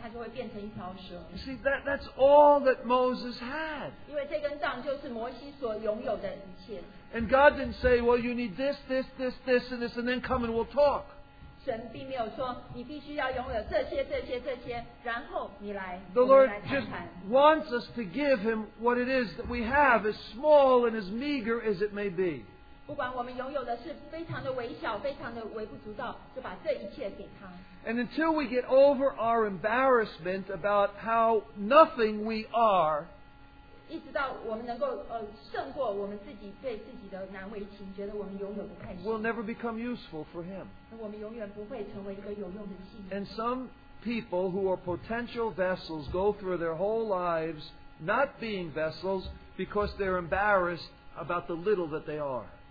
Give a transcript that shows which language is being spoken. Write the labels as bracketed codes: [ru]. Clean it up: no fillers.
[zh] 所以耶和华神对摩西说，当你去见法老的时候，如果他不相信你，就把你的杖丢在地上，他就会变成一条蛇。 [en] See, that's all that Moses had. [zh] 因为这根杖就是摩西所拥有的一切。 [en] And God didn't say, well, you need this, this, this, this, and this, and then come and we'll talk. [zh] 神并没有说你必须要拥有这些这些这些，然后你来。 [en] The Lord just wants us to give Him what it is that we have, as small and as meager as it may be. [zh] 不管我们拥有的是非常的微小，非常的微不足道，就把这一切给他。 [en] And until we get over our embarrassment about how nothing we are, [zh] 一直到我们能够胜过我们自己对自己的难为情，觉得我们拥有的太少。 [en] We'll never become useful for Him. [zh] 我们永远不会成为一个有用的器皿。 [en] And some people who are potential vessels go through their whole lives not being vessels because they're embarrassed about the little that they are.